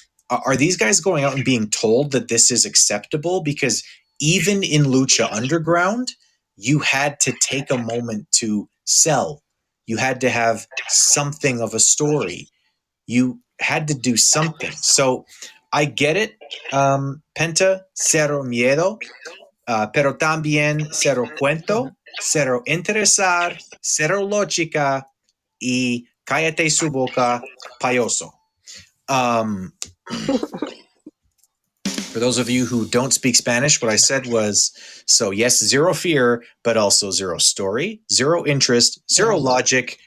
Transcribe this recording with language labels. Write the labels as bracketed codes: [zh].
[en] Are these guys going out and being told that this is acceptable? Because even in Lucha Underground, you had to take a moment to sell. You had to have something of a story. You had to do something. So I get it. [es] Penta, cero miedo, pero también cero cuento, cero interesar, cero lógica, y cállate su boca, payoso. [en] For those of you who don't speak Spanish, what I said was, so yes, zero fear, but also zero story, zero interest, zero logic.